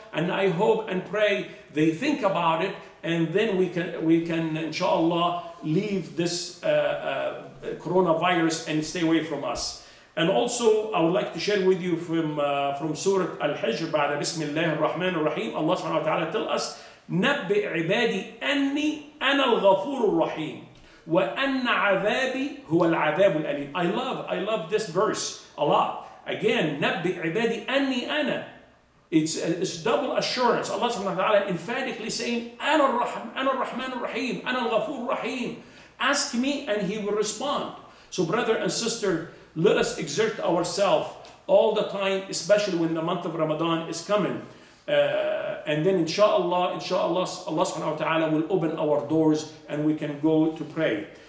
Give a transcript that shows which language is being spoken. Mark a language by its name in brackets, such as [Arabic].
[English] And I hope and pray they think about it, and then we can inshallah leave this coronavirus and stay away from us. And also, I would like to share with you from Surah Al-Hijr, by the Bismillah ar-Rahman ar-Rahim, Allah subhanahu wa ta'ala tell us, [Arabic] نَبِّئْ عِبَادِي أَنِّي أَنَا الْغَفُورُ الرَّحِيمُ وَأَنَّ عَذَابِي هُوَ الْعَذَابُ الْأَلِيمُ. [English] I love this verse a lot. [Arabic] Again, نَبِّئْ عِبَادِي أَنِّي أَنَا. [English] It's double assurance. Allah subhanahu wa ta'ala emphatically saying, [Arabic] أَنَا الرَّحْمَنُ الرَّحِيمُ, أَنَا الْغَفُورُ الرَّحِيمُ. [English] Ask me and He will respond. So brother and sister, let us exert ourselves all the time, especially when the month of Ramadan is coming. And then inshallah, Allah subhanahu wa ta'ala will open our doors and we can go to pray.